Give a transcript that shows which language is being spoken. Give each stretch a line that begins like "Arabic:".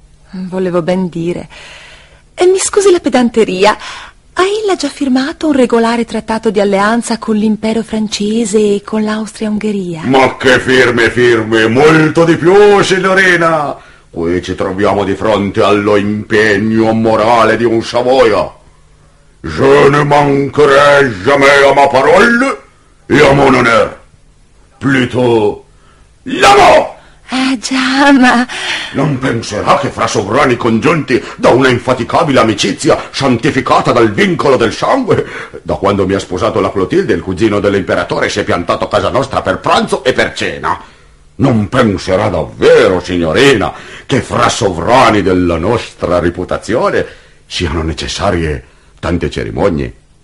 Italian: Volevo ben dire. E mi scusi la pedanteria. Ha già firmato un regolare trattato di alleanza con l'impero francese e con l'Austria-Ungheria? Ma che firme, firme! Molto di più, signorina! Qui ci troviamo di fronte allo impegno morale di un Savoia.
French: Je ne mancherai jamais à ma parole et à mon honneur. Plutôt, l'amo!
Italian: Già, ma... Non penserà che fra sovrani congiunti da una infaticabile amicizia santificata dal vincolo del sangue, da quando mi ha sposato la Clotilde, il cugino dell'imperatore si è piantato a casa nostra per pranzo e per cena. Non penserà davvero, signorina, che fra sovrani della nostra reputazione siano necessarie tante cerimonie?